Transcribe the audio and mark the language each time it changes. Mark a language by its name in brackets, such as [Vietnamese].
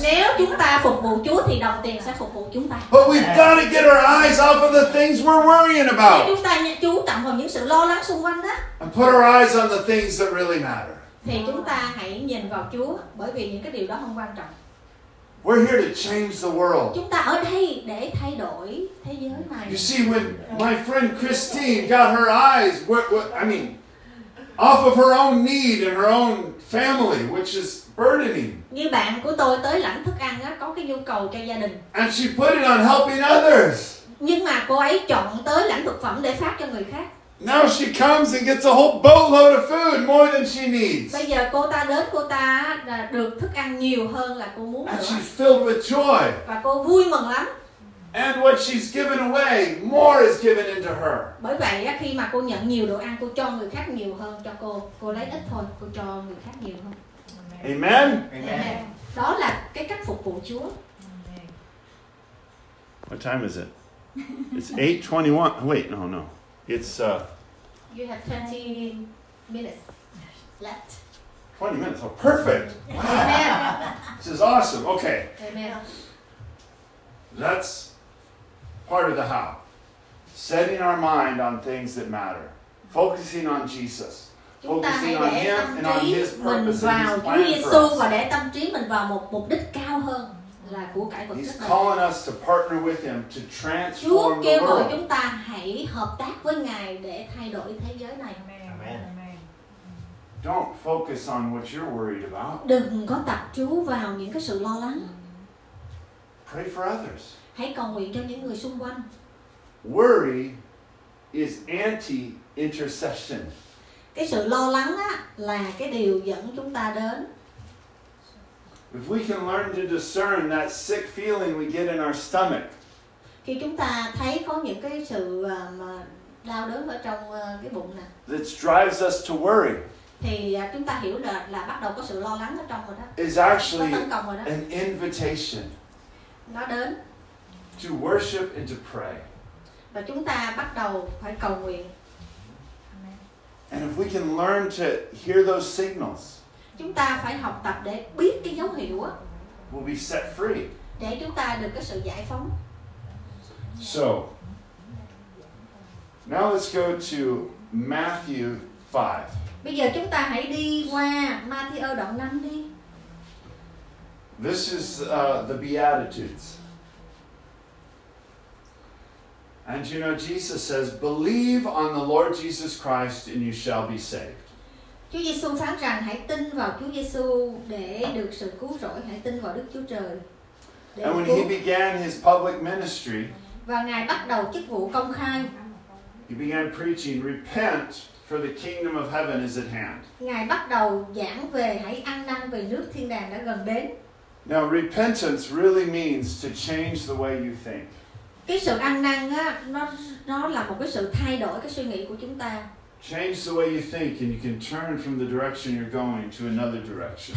[English] But we've got to get our eyes off of the things we're worrying about. And put our eyes on the things that really matter. We're here to change the world. [Vietnamese] Chúng ta ở đây để thay đổi thế giới này. [English] You see, when my friend Christine got her eyes, off of her own need and her own family, which is burdening. [Vietnamese] Như bạn của tôi tới lãnh thức ăn á, có cái nhu cầu cho gia đình. [English] And she put it on helping others. [Vietnamese] Nhưng mà cô ấy chọn tới lãnh thực phẩm để phát cho người khác. [English] Now she comes and gets a whole boatload of food, more than she needs. [Vietnamese] Bây giờ cô ta đến, cô ta được thức ăn nhiều hơn là cô muốn. [English] And she's filled with joy. [Vietnamese] Và cô vui mừng lắm. [English] And what she's given away, more is given into her. [Vietnamese] Bởi vậy khi mà cô nhận nhiều đồ ăn, cô cho người khác nhiều hơn cho cô. Cô lấy ít thôi, cô cho người khác nhiều hơn. [English] Amen. Amen. [Vietnamese] Đó là cái cách phục vụ Chúa. [English] What time is it? It's 8:21. Wait, no, no. It's you have 20 minutes left. 20 minutes. Oh, perfect. Amen. This is awesome. Okay. Amen. That's part of the how. Setting our mind on things that matter. Focusing on Jesus. Focusing on him and on his purpose and his plan for us. [Vietnamese] Và để tâm trí mình vào một mục đích cao hơn. [English] He's calling us to partner with him to transform the world. [Vietnamese] Chúa kêu gọi chúng ta hãy hợp tác với Ngài để thay đổi thế giới này. [English] Amen. Don't focus on what you're worried about. [Vietnamese] Đừng có tập chú vào những cái sự lo lắng. [English] Pray for others. [Vietnamese] Hãy cầu nguyện cho những người xung quanh. [English] Worry is anti-intercession. [Vietnamese] Cái sự lo lắng á là cái điều dẫn chúng ta đến. [English] If we can learn to discern that sick feeling we get in our stomach. [Vietnamese] Khi chúng ta thấy có những cái sự đau đớn ở trong cái bụng nè. [English] That drives us to worry. [Vietnamese] Thì chúng ta hiểu được là bắt đầu có sự lo lắng ở trong rồi đó. [English] Is actually an invitation. [Vietnamese] Nó đến. [English] To worship and to pray. [Vietnamese] Và chúng ta bắt đầu phải cầu nguyện. [English] And if we can learn to hear those signals. [Vietnamese] Chúng ta phải học tập để biết cái dấu hiệu á. [English] We'll be set free. [Vietnamese] Để chúng ta được cái sự giải phóng. [English] So, now let's go to Matthew 5. [Vietnamese] Bây giờ chúng ta hãy đi qua Matthew đoạn 5 đi. [English] This is the Beatitudes. And you know, Jesus says, believe on the Lord Jesus Christ and you shall be saved. [Vietnamese] Chúa Giêsu phán rằng hãy tin vào Chúa Giêsu để được sự cứu rỗi, hãy tin vào Đức Chúa Trời. [English] And when he began his public ministry, [Vietnamese] và ngài bắt đầu chức vụ công khai, [English] he began preaching, "Repent, for the kingdom of heaven is at hand." [Vietnamese] Ngài bắt đầu giảng về hãy ăn năn vì nước thiên đàng đã gần đến. [English] Now repentance really means to change the way you think. [Vietnamese] Cái sự ăn năn á, nó là một cái sự thay đổi cái suy nghĩ của chúng ta. [English] Change the way you think and you can turn from the direction you're going to another direction.